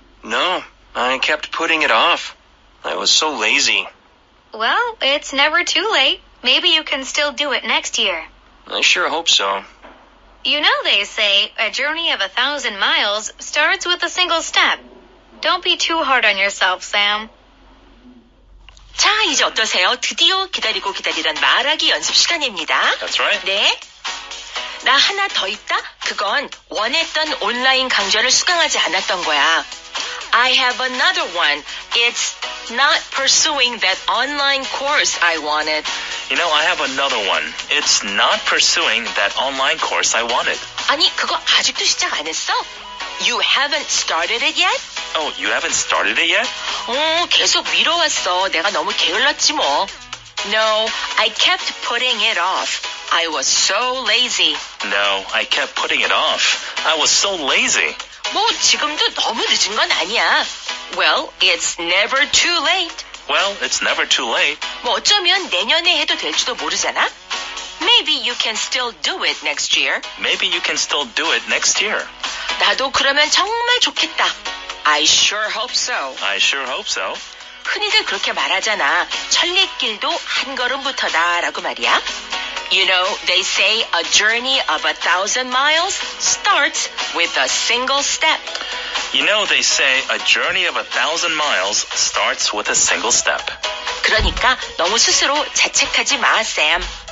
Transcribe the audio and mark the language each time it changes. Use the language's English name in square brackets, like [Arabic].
[English] No, I kept putting it off. I was so lazy. Well, it's never too late. Maybe you can still do it next year. I sure hope so. You know they say a journey of 1,000 miles starts with a single step. Don't be too hard on yourself, Sam. [Korean] 자, 이제 어떠세요? 드디어 기다리고 기다리던 말하기 연습 시간입니다. [English] That's right. [Korean] 네. 나 하나 더 있다? 그건 원했던 온라인 강좌를 수강하지 않았던 거야. [English] I have another one. It's not pursuing that online course I wanted. You know, I have another one. It's not pursuing that online course I wanted. [Korean] 아니, 그거 아직도 시작 안 했어? [English] You haven't started it yet? Oh, you haven't started it yet? [Korean] 어, 계속 미뤄왔어. 내가 너무 게을렀지 뭐. [English] No, I kept putting it off. I was so lazy. No, I kept putting it off. I was so lazy. [Korean] 뭐, 지금도 너무 늦은 건 아니야. [English] Well, it's never too late. Well, it's never too late. [Korean] 뭐, 어쩌면 내년에 해도 될지도 모르잖아. [English] Maybe you can still do it next year. Maybe you can still do it next year. [Korean] 나도 그러면 정말 좋겠다. [English] I sure hope so. I sure hope so. [Korean] 흔히들 그렇게 말하잖아. 천리길도 한 걸음부터다라고 말이야. [English] You know, they say a journey of 1,000 miles starts with a single step. You know, they say a journey of 1,000 miles starts with a single step. [Korean] 그러니까 너무 스스로 자책하지 마, Sam.